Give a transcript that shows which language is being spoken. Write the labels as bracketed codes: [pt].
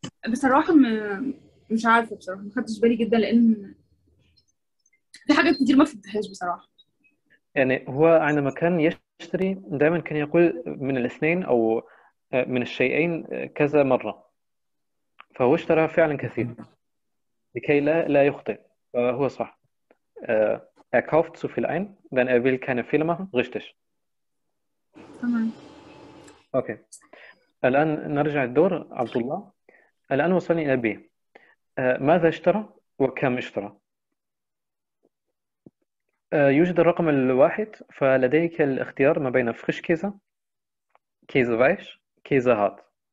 [ar] بصراحة مش عارفة بصراحة ما خدتش بالي جدا لأن في حاجات كتير ما فهمتهاش بصراحة. يعني هو عندما كان يشتري دائما كان يقول من الاثنين او من الشيئين كذا مره، فهو اشترى فعلا كثير لكي لا يخطئ، فهو صح. [de] Er kauft zu viel ein, denn er will keine Fehler machen. Richtig. [ar] تمام. اوكي. الان نرجع الدور عبد الله. الان وصلنا الى بي. ماذا اشترى وكم اشترى؟ يوجد الرقم الواحد، فلديك الاختيار ما بين فريش كيزا، كيزا ويش، كيزا هات.